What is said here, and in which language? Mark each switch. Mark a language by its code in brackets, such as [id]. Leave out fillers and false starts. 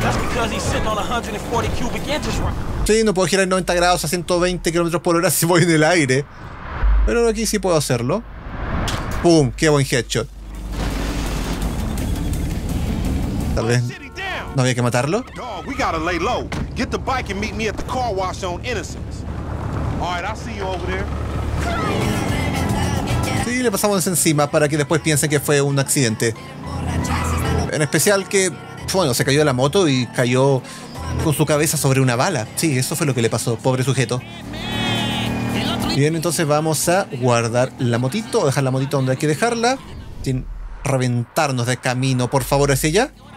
[en] That's because he's sitting on 140 cubic inches right. [es] Sí, no puedo girar en 90 grados a 120 kilómetros por hora si voy en el aire. Pero aquí sí puedo hacerlo. ¡Pum! ¡Qué buen headshot! Tal vez no había que matarlo. [en] Dog, we gotta lay low. Get the bike and meet me at the car wash on Innocence. Alright, I'll see you over there. [es] Sí, le pasamos encima para que después piensen que fue un accidente. En especial que, bueno, se cayó de la moto y cayó con su cabeza sobre una bala. Sí, eso fue lo que le pasó, pobre sujeto. Bien, entonces vamos a guardar la motito, dejar la motito donde hay que dejarla, sin reventarnos de camino, por favor, ¿es ella?